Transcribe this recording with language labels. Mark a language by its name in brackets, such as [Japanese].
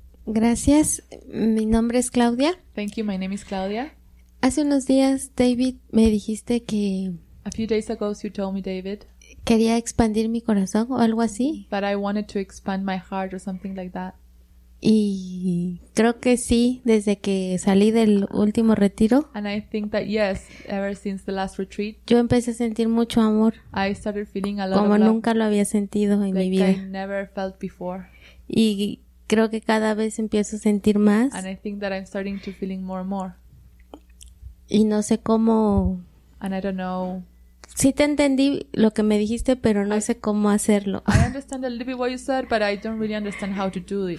[Spanish] Gracias. Mi nombre es Claudia. [English] Thank you. My name is Claudia. [Spanish] Hace unos días, David, me dijiste que... [English] A few days ago, you told me, David. [Spanish] Quería expandir mi corazón o algo así. [English] But I wanted to expand my heart or something like that. [Spanish] Y creo que sí, desde que salí del último retiro. [English] And I think that yes, ever since the last retreat. [Spanish] Yo empecé a sentir mucho amor. [English] I started feeling a lot of love. [Spanish] nunca lo había sentido en [English] like [Spanish] mi vida. [English] I never felt before. [Spanish] Y creo que cada vez empiezo a sentir más. [English] And I think that I'm starting to feeling more and more. [Spanish] Y no sé cómo... [English] And I don't know. [Spanish] Sí te entendí lo que me dijiste, pero no sé cómo hacerlo. [English] I understand a little bit what you said, but I don't really understand how to do it.